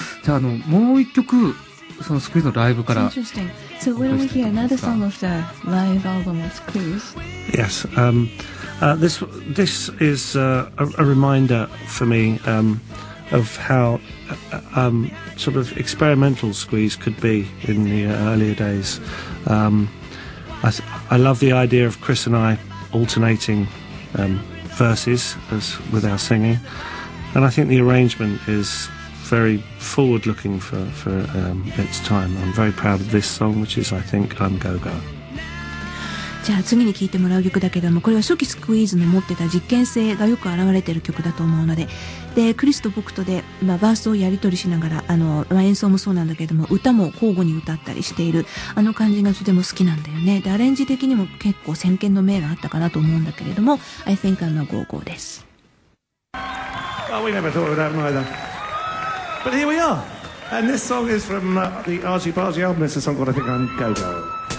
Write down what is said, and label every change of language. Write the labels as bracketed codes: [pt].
[ja] じゃあ、もう一曲、そのスクイーズのライブから。 [en] So when we hear another song of the live album of Squeeze. Yes, this is a reminder for me of how sort of experimental Squeeze could be in the earlier days. I love the idea of Chris and I alternating verses with our singing, and I think the arrangement isis very forward looking for its time. I'm very proud of this song, which is I Think I'm Go Go. [ja] じゃあ次に聴いてもらう曲だけども、これは初期スクイーズの持ってた実験性がよく表れている曲だと思うので、でクリスと僕とで、まあ、バースをやり取りしながら、まあ、演奏もそうなんだけども歌も交互に歌ったりしているあの感じがとても好きなんだよね。でアレンジ的にも結構先見の明があったかなと思うんだけれども、うん、I think I'm a go-go です。 [en] Well, we never thought we'd have either. But here we are. And this song is from the Archie Bargy album. It's a song called I Think I'm Go-Go.